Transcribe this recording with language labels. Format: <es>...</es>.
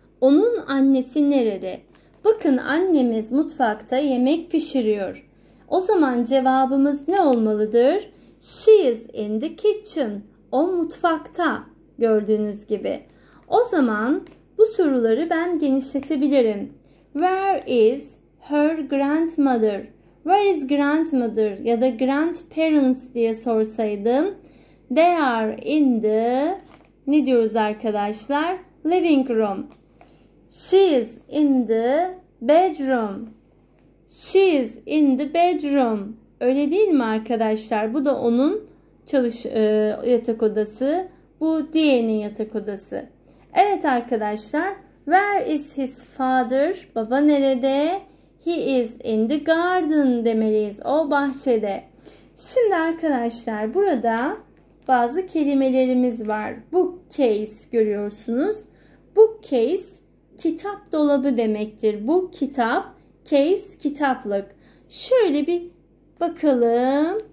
<tr>Onun annesi nerede? Bakın annemiz mutfakta yemek pişiriyor. O zaman cevabımız ne olmalıdır?</tr> <en>She is in the kitchen.</en> <tr>O mutfakta, gördüğünüz gibi. O zaman bu soruları ben genişletebilirim.</tr> <en>Where is her grandmother? Where is grandmother</en> <tr>ya da grandparents diye sorsaydım.</tr> <en>They are in the,</en> <tr>ne diyoruz arkadaşlar?</tr> <en>Living room. She is in the bedroom. She is in the bedroom.</en> <tr>Öyle değil mi arkadaşlar? Bu da onun yatak odası. Bu diğerinin yatak odası. Evet arkadaşlar.</tr> <en>Where is his father?</en> <tr>Baba nerede?</tr> <en>He is in the garden</en> <tr>demeliyiz. O bahçede. Şimdi arkadaşlar burada bazı kelimelerimiz var. Bookcase görüyorsunuz. Bookcase kitap dolabı demektir. Bu kitap, case kitaplık. Şöyle bir bakalım.</tr>